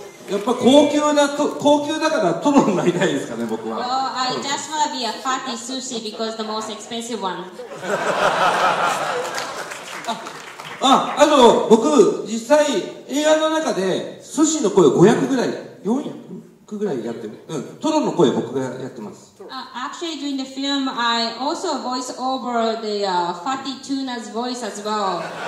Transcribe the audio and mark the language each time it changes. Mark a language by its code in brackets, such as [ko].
[ja] やっぱ高級だからトロになりたいですかね、僕は。 [en] Well, I just wanna be a fatty sushi because the most expensive one. [ja] あの、僕、実際、映画の中で寿司の声500ぐらい、400? [en] Actually, during the film, I also voice over the fatty tuna's voice as well.